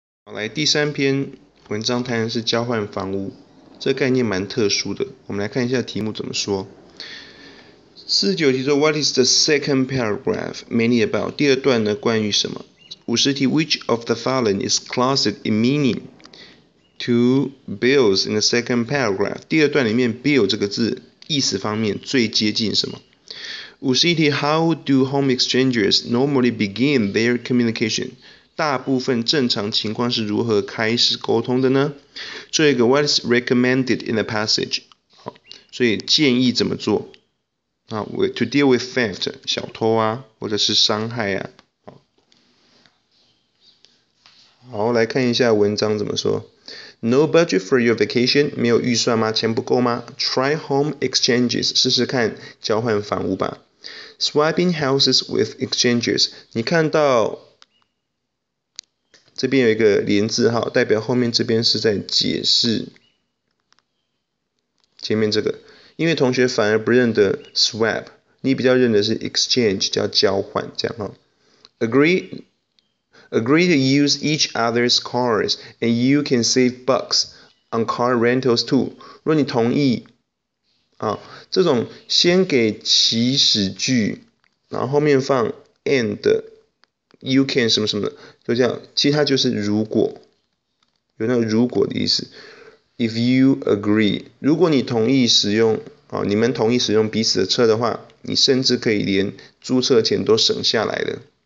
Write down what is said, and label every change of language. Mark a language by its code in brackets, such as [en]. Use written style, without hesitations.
[zh] 好，来第三篇文章谈的是交换房屋，这概念蛮特殊的。我们来看一下题目怎么说。 [en] 49题说 What is the second paragraph mainly about？ [zh] 第二段呢关于什么？ [en] 50题 Which of the following is classed in meaning to bills in the second paragraph？ [zh] 第二段里面 bill 这个字意思方面最接近什么？ [en] 51题 How do home exchangers normally begin their communication？ [zh] 大部分正常情况是如何开始沟通的呢？做一个 [en] What is recommended in the passage？ [zh] 好，所以建议怎么做？啊 ， [en] to deal with theft [zh] 小偷啊，或者是伤害啊。好，来看一下文章怎么说。 [en] No budget for your vacation？ [zh] 没有预算吗？钱不够吗 [en] ？Try home exchanges， [zh] 试试看交换房屋吧。 [en] Swapping houses with exchangers， [zh] 你看到？这边有一个连字号，代表后面这边是在解释前面这个，因为同学反而不认得 swap， 你比较认得是 exchange， 叫交换这样哈。 [en] Agree to use each other's cars and you can save bucks on car rentals too。 [zh] 若你同意，啊，这种先给祈使句，然后后面放 and。 [en] You can [zh] 什么什么的，就这样，其实它就是如果，有那个如果的意思。 [en] If you agree， [zh] 如果你同意使用，哦，你们同意使用彼此的车的话，你甚至可以连租车钱都省下来的。